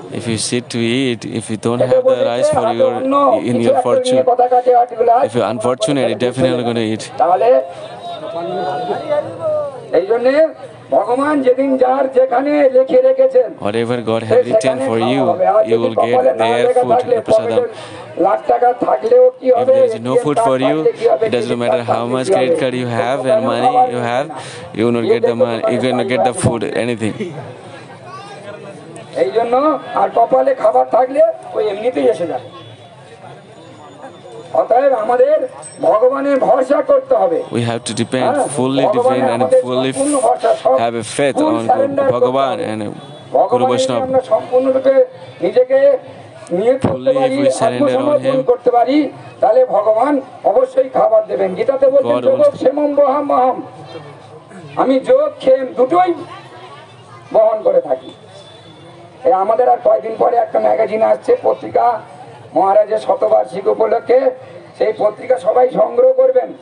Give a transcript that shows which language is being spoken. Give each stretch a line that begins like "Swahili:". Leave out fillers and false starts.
English: If you sit to eat, if you don't have the rice for your in your fortune, if you're unfortunate, you're definitely going to eat.
Bangla: তাহলে এই জন্য ভগবান যেদিন যার যেখানে লিখে রেখেছেন,
English: whatever God has written for you, you will get their food, the prasadam.
Bangla: Lakh টাকা থাকলেও কি হবে?
English: If there is no food for you, it doesn't matter how much credit card you have and money you have, you will not get the money, you will not get the food, anything.
Bangla: এই জন্য আর কপালে খাবার থাকলে ওই এমনিতেই এসে যাবে। অতএব আমাদের ভগবানের ভরসা করতে হবে।
English: We have to depend fully depend and fully have a faith on Bhagavan and Guru Vaishnav.
Bangla: সম্পূর্ণরূপে নিজেকে নিয়ে
English: fully if we surrender on him
Bangla: করতে পারি তাহলে ভগবান অবশ্যই খাবার দেবেন। গীতাতে বলছেন
Sanskrit: যোগ ক্ষেমম বহম মহম,
Bangla: আমি যোগ ক্ষেম দুটোই বহন করে থাকি। এই আমাদের আর কয়েকদিন পরে একটা ম্যাগাজিন আসছে পত্রিকা মহারাজের শতবার্ষিক উপলক্ষে, সেই পত্রিকা সবাই সংগ্রহ করবেন।